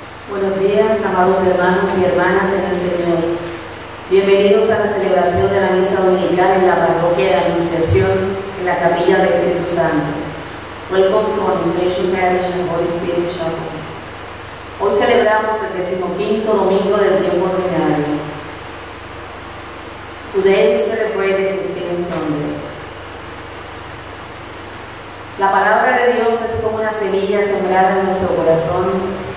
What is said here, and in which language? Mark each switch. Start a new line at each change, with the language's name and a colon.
Spanish: Buenos días, amados hermanos y hermanas en el Señor. Bienvenidos a la celebración de la Misa Dominical en la Parroquia de la Anunciación en la Capilla del Espíritu Santo.
English: Welcome to Annunciation Parish and Holy Spirit Chapel.
Spanish: Hoy celebramos el 15º domingo del tiempo ordinario.
English: Today we celebrate the 15th Sunday.
Spanish: La palabra de Dios es como una semilla sembrada en nuestro corazón.